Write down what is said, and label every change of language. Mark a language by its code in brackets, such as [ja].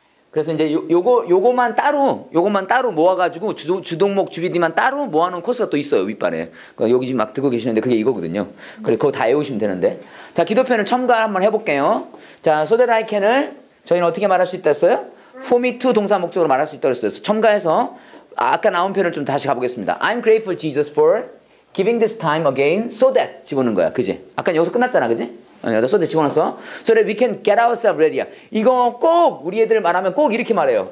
[ko] 그래서 이제 요것만 따로 모아가지고 주동목 주비디만 따로 모아놓은 코스가 또 있어요, 윗발에. 그러니까 여기 지금 막 듣고 계시는데 그게 이거거든요. 그래, 그거 다 외우시면 되는데. 자, 기도편을 첨가 한번 해볼게요. 자, [en] so that I can [ko] 을 저희는 어떻게 말할 수 있었어요? [en] For me to [ko] 동사 목적으로 말할 수 있다고 했어요. 첨가해서 아까 나온 표현을 좀 다시 가보겠습니다. [en] I'm grateful Jesus for giving this time again so that [ko] 집어넣은 거야. 그지? 아까 여기서 끝났잖아. 그지? [en] So that [ko] 집어넣어서 [en] So that we can get ourselves ready. [ko] 이거 꼭 우리 애들 말하면 꼭 이렇게 말해요.